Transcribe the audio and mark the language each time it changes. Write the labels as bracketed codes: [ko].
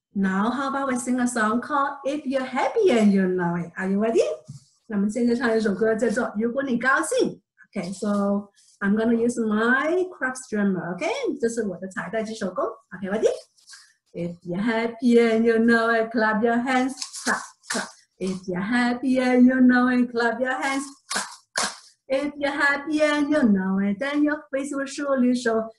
[en] Now, how about we sing a song called "If You're Happy and You Know It"? Are you ready? [zh] 那我们现在唱一首歌叫做如果你高兴。 [en] Okay, so I'm going to use my craft drummer, okay? [zh] 这是我的彩带击手工。 [en] Okay, ready? If you're happy and you know it, clap your hands, clap, clap. If you're happy and you know it, clap your hands, clap, clap. If you're happy and you know it, then your face will surely show.